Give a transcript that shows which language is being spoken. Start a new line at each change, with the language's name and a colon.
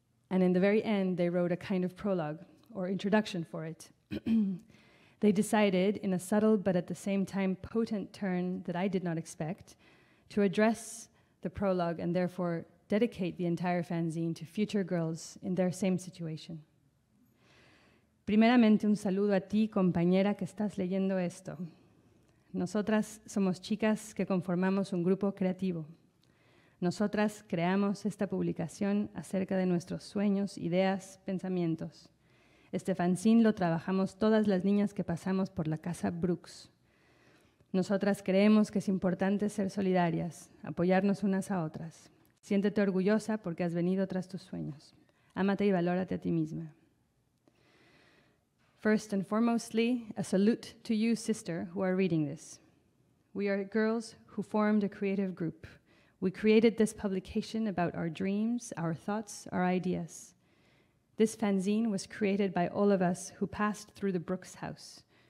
English: And in the very end, they wrote a kind of prologue or introduction for it. They decided, in a subtle but at the same time potent turn that I did not expect, to address the prologue and therefore dedicate the entire fanzine to future girls in their same situation.
Spanish: Primeramente, un saludo a ti, compañera, que estás leyendo esto. Nosotras somos chicas que conformamos un grupo creativo. Nosotras creamos esta publicación acerca de nuestros sueños, ideas, pensamientos. Este fanzine lo trabajamos todas las niñas que pasamos por la casa Brooks. Nosotras creemos que es importante ser solidarias, apoyarnos unas a otras. Siéntete orgullosa porque has venido tras tus sueños. Ámate y valórate a ti misma.
English: First and foremostly, a salute to you, sister, who are reading this. We are girls who formed a creative group. We created this publication about our dreams, our thoughts, our ideas. This fanzine was created by all of us who passed through the Brooks house.